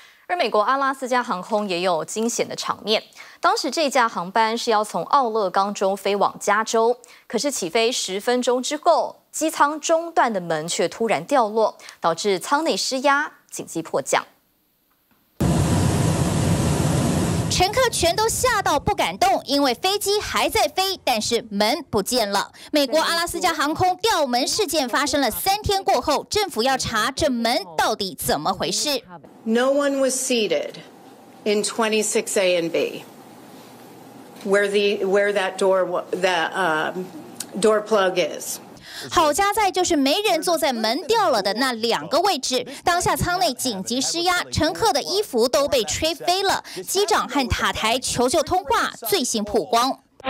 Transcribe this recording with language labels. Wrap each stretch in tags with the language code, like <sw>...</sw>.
<zh>而美国阿拉斯加航空也有惊险的场面，当时这架航班是要从奥勒冈州飞往加州，可是起飞10分钟之后，机舱中段的门却突然掉落，导致舱内失压，紧急迫降。乘客全都吓到不敢动，因为飞机还在飞，但是门不见了。美国阿拉斯加航空吊门事件发生了3天过后，政府要查这门到底怎么回事。</zh> <en>No one was seated in 26A and B, where that door plug is.</en> <zh>好家在就是没人坐在门掉了的那两个位置，当下舱内紧急施压，乘客的衣服都被吹飞了，机长和塔台求救通话最新曝光。</zh>